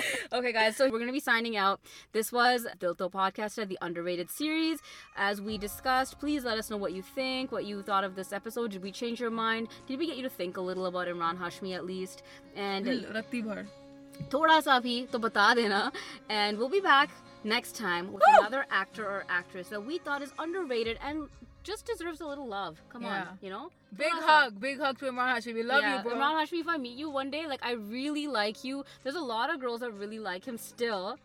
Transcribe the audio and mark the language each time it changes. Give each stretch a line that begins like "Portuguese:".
English: Okay, guys, so we're going to be signing out. This was Dil To Podcaster, the underrated series. As we discussed, please let us know what you think, what you thought of this episode. Did we change your mind? Did we get you to think a little about Imran Hashmi at least? And
Hindi: Ratti bhar. थोड़ा सा भी, तो बता देना.
English: And we'll be back next time with another actor or actress that we thought is underrated and just deserves a little love. Come on, you know? Big hug to Imran Hashmi. We love you, bro. Imran Hashmi, if I meet you one day, like, I really like you. There's a lot of girls that really like him still.